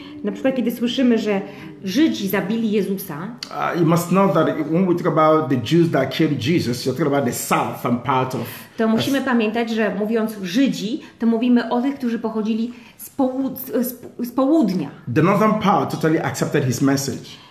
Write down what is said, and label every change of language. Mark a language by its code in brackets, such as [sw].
[pl] Na przykład, kiedy słyszymy, że Żydzi zabili Jezusa. [en] You must know that when we talk about the Jews that killed Jesus, you're talking about the south and part of. [pl] To musimy pamiętać, że mówiąc Żydzi, to mówimy o tych, którzy pochodzili z południa. [en] The northern part totally accepted his message.